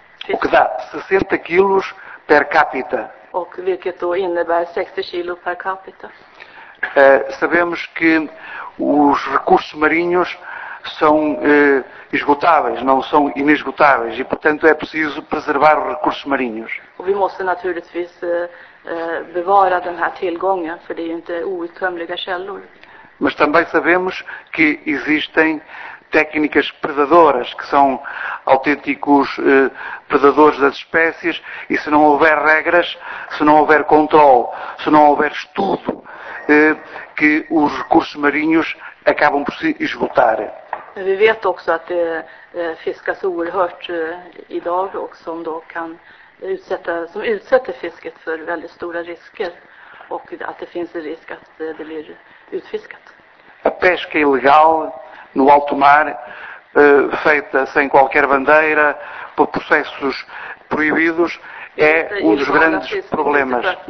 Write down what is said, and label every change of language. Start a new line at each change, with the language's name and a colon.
Portuguese: O que dá 60 quilos per capita. O que significa 60 quilos per capita. Sabemos que os recursos marinhos são esgotáveis, não são inesgotáveis, e portanto é preciso preservar os recursos marinhos.
Swedish: Och vi måste naturligtvis bevara den här tillgången, för det är inte outtömliga källor.
Portuguese: Mas também sabemos que existem técnicas predadoras, que são autênticos predadores das espécies, e se não houver regras, se não houver controle, se não houver estudo, que os recursos marinhos acabam por se esgotar.
Swedish: Men vi vet också att det fiskas oerhört idag och som då kan utsätter fisket för väldigt stora risker och att det finns en risk att det blir utfiskat.
Portuguese: a pesca ilegal no alto mar, feita sem qualquer bandeira, por processos proibidos, é um dos grandes problemas.